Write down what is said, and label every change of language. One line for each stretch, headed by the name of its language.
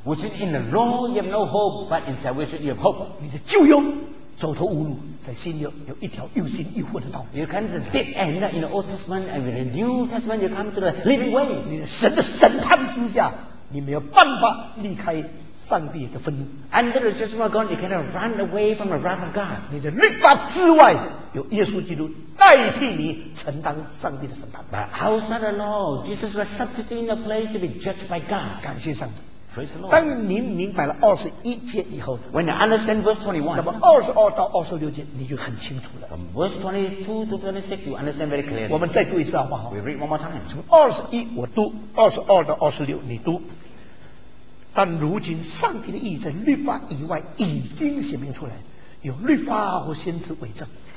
English: Which is in the law you have no hope, but in salvation you have hope.
Chinese: 你的旧约走投无路，在新约有一条又新又活的道。
English: You come to the dead end in the Old Testament, and with the New Testament you come to the living way.
Chinese: 你的神的审判之下，你没有办法离开上帝的愤怒。
English: Under the judgment of God, you cannot run away from the wrath of God.
Chinese: 你的律法之外。有耶稣基督代替你承担上帝的审判。
English: But outside the law, Jesus was substituted in a place to be judged by God.
Chinese: 感谢上帝。
English: Praise the Lord.
Chinese: 当你明白了二十一节以后
English: ，When you understand verse 21,
Chinese: 那么二十二到二十六节你就很清楚了。
English: From verse 22 to 26, you understand very clearly.
Chinese: 我们再读一次好不好
English: ？We read one more time.
Chinese: 从二十一我读，二十二到二十六你读。但如今上帝的义在律法以外已经显明出来，有律法和先知为证。